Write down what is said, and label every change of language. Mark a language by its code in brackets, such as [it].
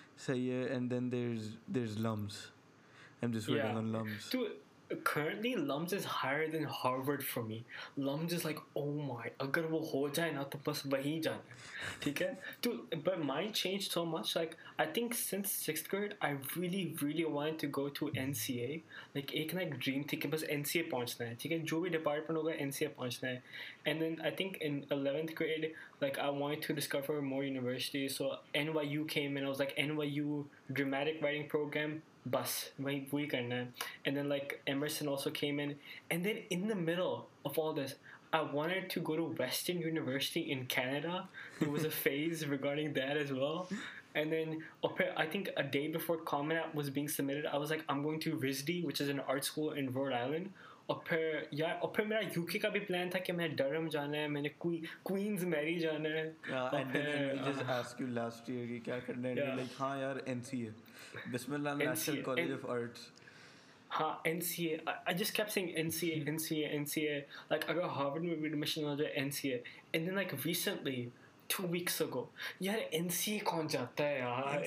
[en] And then there's Lums. I'm just waiting on Lums. Dude, currently Lums is higher than Harvard for me. Lums is like, oh my, [ur] agar wo ho jaye na to bas wahi jaye. Theek hai? [en] Dude, but mine changed so much. Like, I think since 6th grade, I really, really wanted to go to NCA. [ur] Like, ایک نہ ایک dream تھی کہ بس N C اے پہنچنا ہے۔ ٹھیک ہے؟ جو بھی ڈیپارٹمنٹ ہوگا، این سی اے پہنچنا ہے۔ [en] And then I think in 11th grade, like, I wanted to discover more universities. So NYU came and I was like, NYU dramatic writing program. Bus, we can, and then like Emerson also came in, and then in the middle of all this, I wanted to go to Western University in Canada. There was a phase regarding that as well, and then I think a day before Common App was being submitted, I was like, I'm going to residing, which is an art school in Rhode Island. [ur] اوپر میرا you کے کا بھی plan تھا کہ میں ڈرہم جانا ہے، میں نے کوئینز میری جانا ہے۔ [en] And then I just ask you last year [ur] ki kya karna hai, [en] like, [ur] haan yaar, [en] NCA. Bismillah National College of Arts. Haan, NCA. I just kept saying NCA, NCA, NCA. [ur] Like, اگر Harvard میں بھی admission ہو جائے، NCA. [en] And then, like, recently, 2 weeks ago, [ur] یار، NCA کون جاتا ہے، یار؟